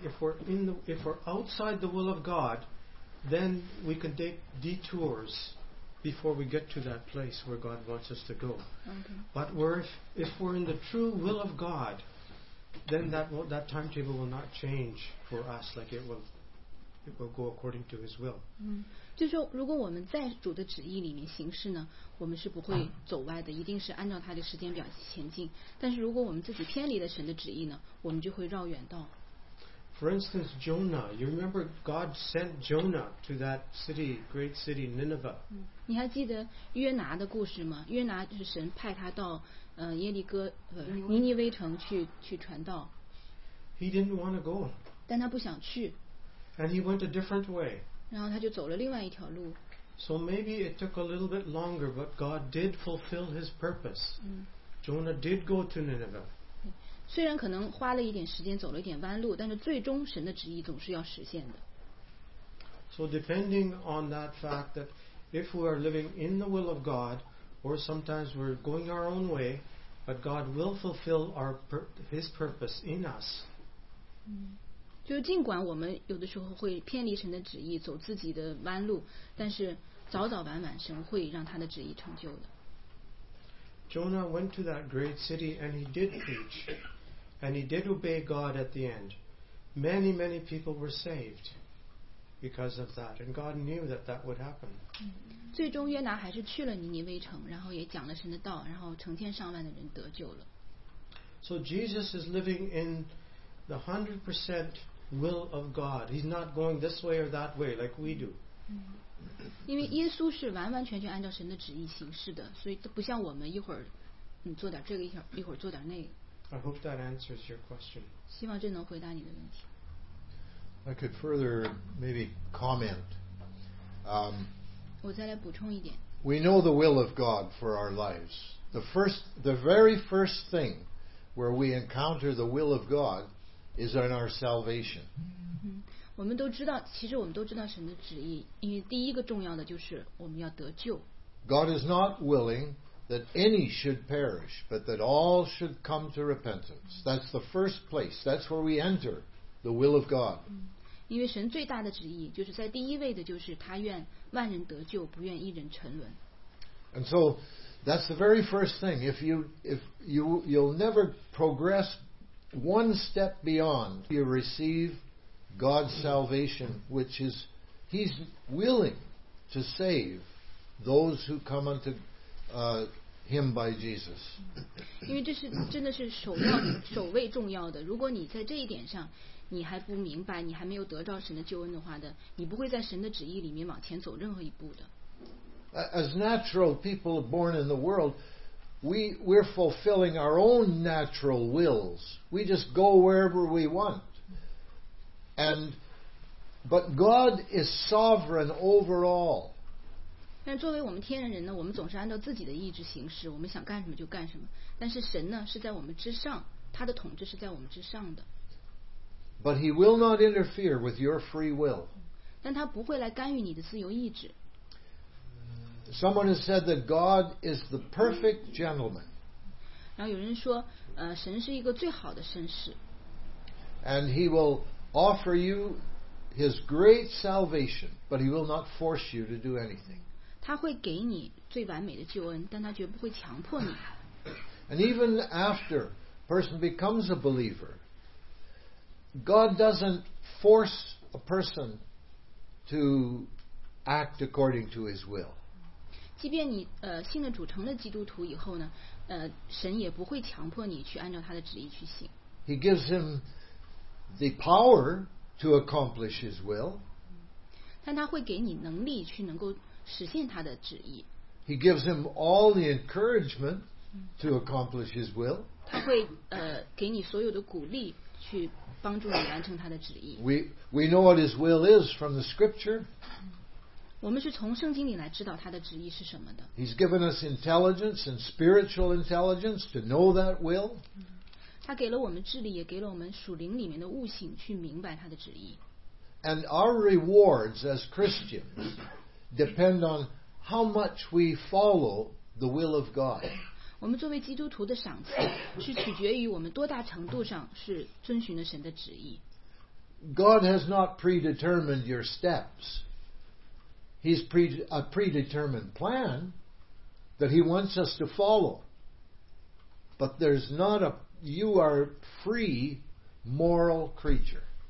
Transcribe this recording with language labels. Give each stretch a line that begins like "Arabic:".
English: If we're outside the will of God, then we can take detours before we get to that place where God wants us to go. Okay. But if we're in the true will of God, then that timetable will not change for us. Like it will go according to His will.
Chinese: 就说如果我们在主的旨意里面行事呢，我们是不会走歪的，一定是按照他的时间表前进。但是如果我们自己偏离了神的旨意呢，我们就会绕远道。
English: For instance, Jonah, you remember God sent Jonah to that city, great city, Nineveh.
Chinese: 你还记得约拿的故事吗？约拿就是神派他到耶利哥尼尼微城去传道。
English: He didn't want to go.
Chinese: 但他不想去。
English: And he went a different way.
Chinese: 然后他就走了另外一条路。
English: So maybe it took a little bit longer, but God did fulfill his purpose. Jonah did go to Nineveh.
Chinese: 虽然可能花了一点时间走了一点弯路，但是最终神的旨意总是要实现的。
English: So depending on that fact that if we are living in the will of God, or sometimes we're going our own way, but God will fulfill His purpose in us.
Chinese: 就尽管我们有的时候会偏离神的旨意，走自己的弯路，但是早早晚晚神会让他的旨意成就的。
English: Jonah went to that great city and he did preach and he did obey God at the end. Many, many people were saved because of that and God knew that that would happen.
Chinese: 最终约拿还是去了尼尼微城，然后也讲了神的道，然后成千上万的人得救了。
English: So Jesus is living in the 100% will of God. He's not going this way or that way like we do.
Chinese: 因为耶稣是完完全全按照神的旨意行事的，所以都不像我们一会儿做点这个，一会儿做点那个。
English: I hope that answers your question.
Chinese: 希望这能回答你的问题。
English: I could further maybe comment.
Chinese: 我再来补充一点。
English: We know the will of God for our lives. The very first thing where we encounter the will of God is in our salvation.
Chinese: 我们都知道，其实我们都知道神的旨意，因为第一个重要的就是我们要得救。
English: God is not willing that any should perish, but that all should come to repentance. That's the first place. That's where we enter the will of God.
Chinese: 因为神最大的旨意就是在第一位的，就是他愿万人得救，不愿一人沉沦。
English: And so that's the very first thing. If you'll never progress one step beyond you receive. God's salvation, which is He's willing to save those who come unto Him by Jesus.
Chinese: 因为这是真的是首位重要的。如果你在这一点上你还不明白，你还没有得到神的救恩的话的，你不会在神的旨意里面往前走任何一步的。
English: As natural people born in the world, we're fulfilling our own natural wills. We just go wherever we want. But God is sovereign over all.
Chinese: 但作为我们天然人呢，我们总是按照自己的意志行事，我们想干什么就干什么。但是神呢，是在我们之上，他的统治是在我们之上的。
English: But He will not interfere with your free will.
Chinese: 但他不会来干预你的自由意志。
English: Someone has said that God is the perfect gentleman.
Chinese: 然后有人说，神是一个最好的绅士。
English: And He will offer you His great salvation, but he will not force you to do anything.
Chinese: 他会给你最完美的救恩，但他绝不会强迫你。
English: And even after a person becomes a believer, God doesn't force a person to act according to his will.
Chinese: 即便你信了主成了基督徒以后呢，神也不会强迫你去按照他的旨意去行。
English: He gives him the power to accomplish his will.
Chinese: 但他会给你能力去能够实现他的旨意。
English: He gives him all the encouragement to accomplish his will.
Chinese: 他会给你所有的鼓励去帮助你完成他的旨意。
English: We know what his will is from the scripture.
Chinese: 我们是从圣经里来知道他的旨意是什么的。
English: He's given us intelligence and spiritual intelligence to know that will.
Chinese: 他给了我们智力，也给了我们属灵里面的悟性，去明白他的旨意。
English: And our rewards as Christians depend on how much we follow the will of God.
Chinese: 我们作为基督徒的赏赐是取决于我们多大程度上是遵循了神的旨意。
English: God has not predetermined your steps. He's a predetermined plan that he wants us to follow. But there's not a you are free moral creature.